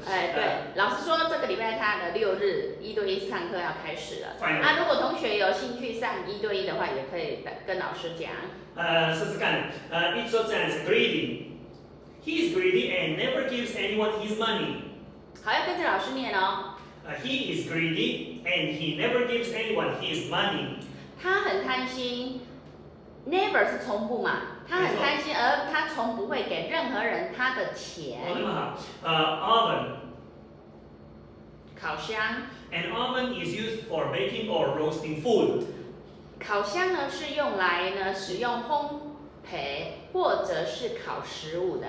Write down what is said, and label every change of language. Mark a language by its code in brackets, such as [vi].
[zh] 对，老师说这个礼拜他的六日一对一上课要开始了。 [en] Finally. [zh] 如果同学有兴趣上一对一的话，也可以跟老师讲。试试看。 [en] It so sounds greedy. He is greedy and never gives anyone his money. [zh] 好，要跟着老师念哦。 [en] He is greedy and he never gives anyone his money. [zh] 他很贪心。 Never 是从不嘛，他很贪心，而他从不会给任何人他的钱。那么好，oven，烤箱。 [en] An oven is used for baking or roasting food。 [zh] 烤箱呢是用来呢使用烘焙或者是烤食物的。